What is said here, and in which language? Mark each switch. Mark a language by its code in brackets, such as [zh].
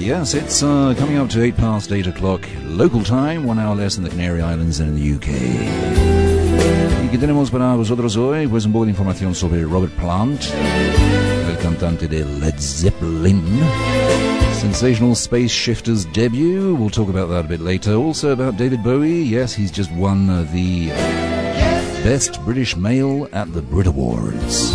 [en] It's coming up to 8 past 8 o'clock local time, 1 hour less in the Canary Islands and in the UK. [es] ¿Y qué tenemos para vosotros hoy? Pues un poco de información sobre Robert Plant, el cantante de Led Zeppelin. [en] Sensational Space Shifters debut, we'll talk about that a bit later. Also about David Bowie, yes, he's just won the Best British Male at the Brit Awards.